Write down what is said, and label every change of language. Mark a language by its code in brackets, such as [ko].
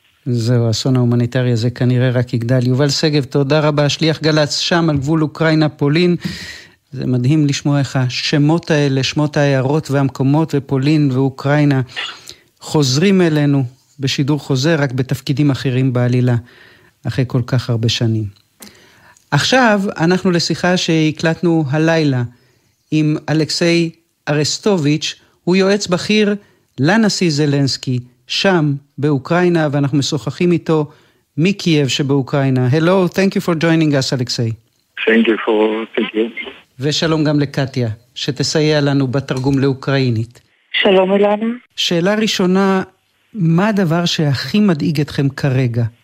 [he] זהו, האסון ההומניטרי הזה כנראה רק יגדל. יובל סגב, תודה רבה, שליח גלץ שם על גבול אוקראינה-פולין, זה מדהים לשמוע איך השמות האלה, שמות הערות והמקומות ופולין ואוקראינה חוזרים אלינו בשידור חוזר, רק בתפקידים אחרים בעלילה, אחרי כל כך הרבה שנים. עכשיו אנחנו לשיחה שהקלטנו הלילה עם אלכסיי ארסטוביץ', הוא יועץ בכיר לנשיא זלנסקי, שם באוקראינה, ואנחנו משוחחים איתו מקייב שבאוקראינה. [en] Hello, thank you for joining us, אלכסיי. Thank you. [he] ושלום גם לקטיה, שתסייע לנו בתרגום לאוקראינית. שלום אילנה. שאלה ראשונה, מה הדבר שהכי מדאיג אתכם כרגע?